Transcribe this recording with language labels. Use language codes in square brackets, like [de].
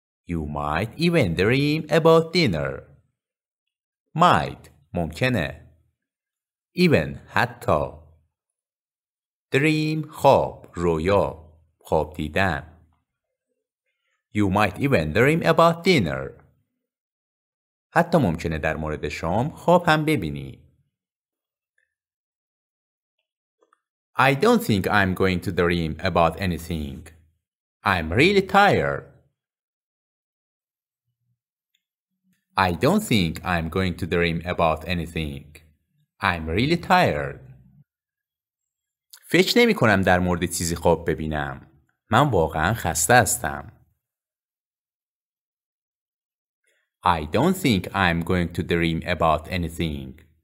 [en] You might even dream about dinner. Might. ممکنه. Even. حتی. Dream. [fa] خواب. رویا. خواب دیدن. [en] You might even dream about dinner. [fa] حتی ممکنه در مورد شام خواب هم ببینی. [en] I don't think I'm going to dream about anything. I'm really tired. I don't think I'm going to dream about anything. I'm really tired. [fa] فکر نمی کنم در مورد چیزی خواب ببینم. من واقعا خسته هستم. [en] I don't think I'm going to dream about anything.